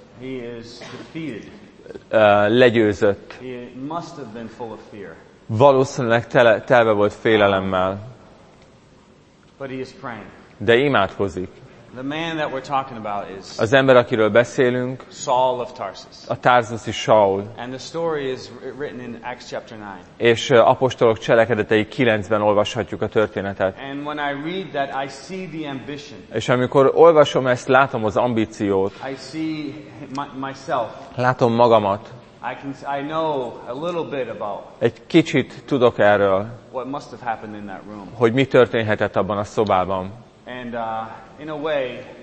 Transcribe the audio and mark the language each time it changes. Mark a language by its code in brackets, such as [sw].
[en] He is defeated. [hu] Legyőzött. [en] He must have been full of fear. [hu] Valószínűleg telve volt félelemmel. [en] But he is praying. [hu] De imádkozik. [en] The man that we're talking about is [hu] az ember, akiről beszélünk, [en] Saul of Tarsus. [hu] A tarsuszi Saul. [en] And the story is written in Acts chapter 9. [hu] És Apostolok cselekedetei 9-ben olvashatjuk a történetet. [en] And when I read that, I see the ambition. [hu] És amikor olvasom ezt, látom az ambíciót. [en] I see myself. [hu] Látom magamat. [en] I know a little bit about. [hu] Egy kicsit tudok erről. [en] What must have happened in that room? [hu] Hogy mi történhetett abban a szobában? [en] And in a way.